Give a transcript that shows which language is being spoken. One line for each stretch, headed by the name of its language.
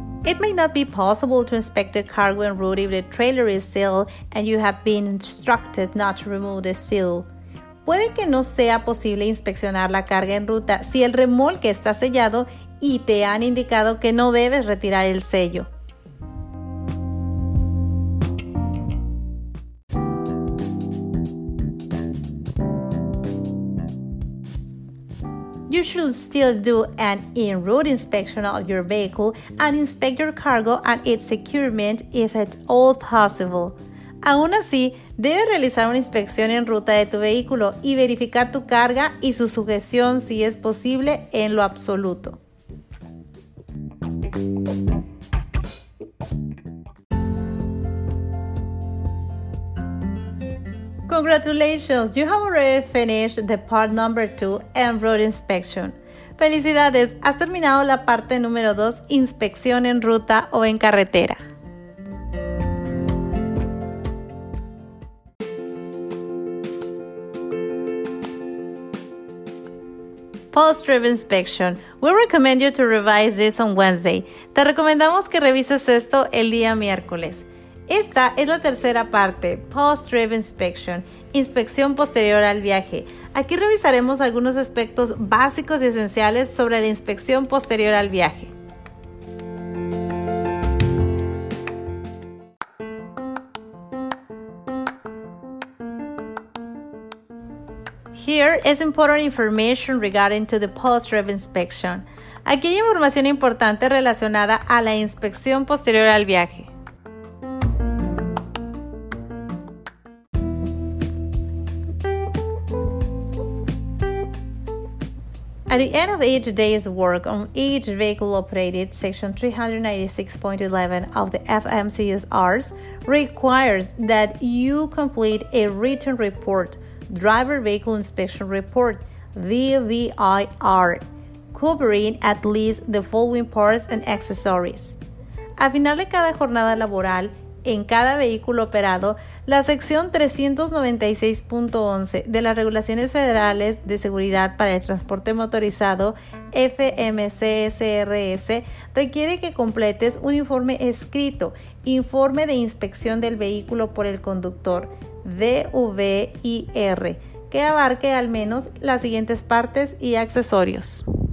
English: It may not be possible to inspect the cargo en route if the trailer is sealed and you have been instructed not to remove the seal.
Spanish: Puede que no sea posible inspeccionar la carga en ruta si el remolque está sellado y te han indicado que no debes retirar el sello.
English: You should still do an in-route inspection of your vehicle and inspect your cargo and its securement if at all possible.
Spanish: Aún así, debes realizar una inspección en ruta de tu vehículo y verificar tu carga y su sujeción si es posible en lo absoluto.
English: Congratulations, you have already finished the part number 2, en route inspection.
Spanish: Felicidades, has terminado la parte número 2, inspección en ruta o en carretera.
English: Post-trip inspection. We recommend you to revise this on Wednesday.
Spanish: Te recomendamos que revises esto el día miércoles. Esta es la tercera parte, Post-Trip Inspection, inspección posterior al viaje. Aquí revisaremos algunos aspectos básicos y esenciales sobre la inspección posterior al viaje.
English: Here is important information regarding to the post-trip inspection.
Spanish: Aquí hay información importante relacionada a la inspección posterior al viaje.
English: At the end of each day's work on each vehicle operated, section 396.11 of the FMCSRs requires that you complete a written report, Driver Vehicle Inspection Report, DVIR, covering at least the following parts and accessories.
Spanish: Al final de cada jornada laboral, en cada vehículo operado, la sección 396.11 de las Regulaciones Federales de Seguridad para el Transporte Motorizado, FMCSRS, requiere que completes un informe escrito, informe de inspección del vehículo por el conductor, DVIR, que abarque al menos las siguientes partes y accesorios.